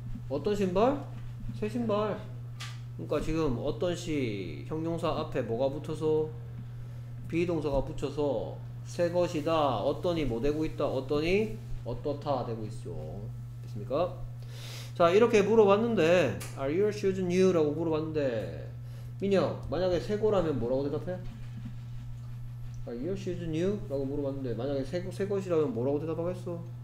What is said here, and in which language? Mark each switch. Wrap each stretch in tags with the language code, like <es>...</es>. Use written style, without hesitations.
<ko>어떤 신발? 새 신발. 그러니까 지금 어떤 씨 형용사 앞에 뭐가 붙어서 비동사가 붙여서 새 것이다, 어떠니 뭐 되고 있다, 어떠니 어떻다 되고 있죠. 됐습니까? 자, 이렇게 물어봤는데</ko> <en>Are your shoes new?</en> <ko>라고 물어봤는데 민혁, 만약에 새 거라면 뭐라고 대답해?</ko> <en>Are your shoes new?</en> <ko>라고 물어봤는데 만약에 새 것이라면 뭐라고 대답하겠어?</ko>